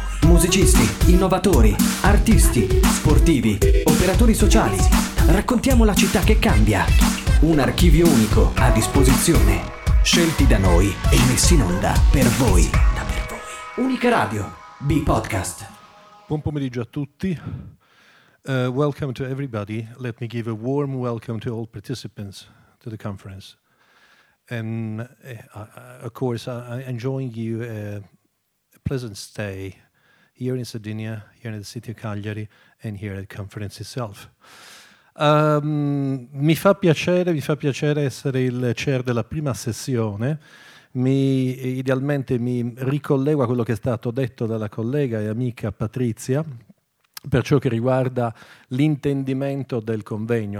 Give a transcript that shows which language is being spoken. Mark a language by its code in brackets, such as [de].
[it] Musicisti, innovatori, artisti, sportivi, operatori sociali. Raccontiamo la città che cambia. Un archivio unico a disposizione. Scelti da noi e messi in onda per voi. Unica Radio, B-Podcast. Buon pomeriggio a tutti. [en] Welcome to everybody. Let me give a warm welcome to all participants to the conference. And of course, I'm enjoying you a pleasant stay here in Sardinia, here in the city of Cagliari, and here at the conference itself. [it] Mi fa piacere essere il chair della prima sessione. Idealmente mi ricollego a quello che è stato detto dalla collega e amica Patrizia per ciò che riguarda l'intendimento del convegno.